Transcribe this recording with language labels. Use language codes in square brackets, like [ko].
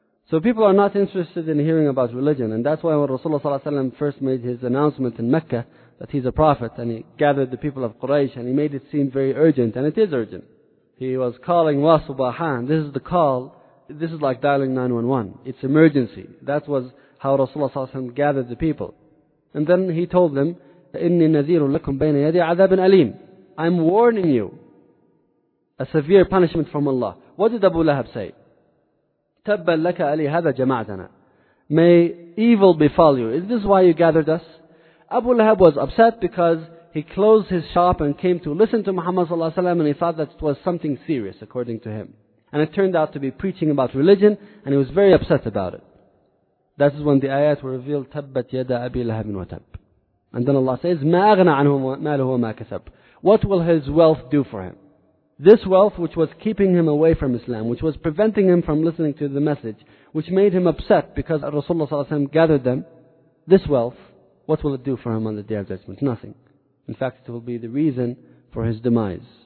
[en] So people are not interested in hearing about religion. And that's why when Rasulullah ﷺ first made his announcement in Mecca that he's a prophet, and he gathered the people of Quraysh, and he made it seem very urgent. And it is urgent. He was calling wa subahan. This is the call. This is like dialing 911. It's emergency. That was how Rasulullah ﷺ gathered the people. And then he told them, [ar] إِنِّي نَذِيرٌ لَكُمْ بَيْنَ يَدِي عَذَابٍ أَلِيمٍ. [en] I'm warning you. A severe punishment from Allah. What did Abu Lahab say? [ar] تَبَّلْ لَكَ أَلِي هَذَا جَمَعْتَنَا. [en] May evil befall you. Is this why you gathered us? Abu Lahab was upset because he closed his shop and came to listen to Muhammad ﷺ, and he thought that it was something serious, according to him. And it turned out to be preaching about religion, and he was very upset about it. That is when the ayat were revealed, [ar] تَبَّتْ يَدَى أَبِي لَهَبٍ وَتَبْ. [en] And then Allah says, [ar] مَا أَغْنَى عَنْهُ مَالُهُ وَمَا كَسَبْ. [en] What will his wealth do for him? This wealth which was keeping him away from Islam, which was preventing him from listening to the message, which made him upset because Rasulullah ﷺ gathered them, this wealth, what will it do for him on the Day of Judgment? Nothing. In fact, it will be the reason for his demise.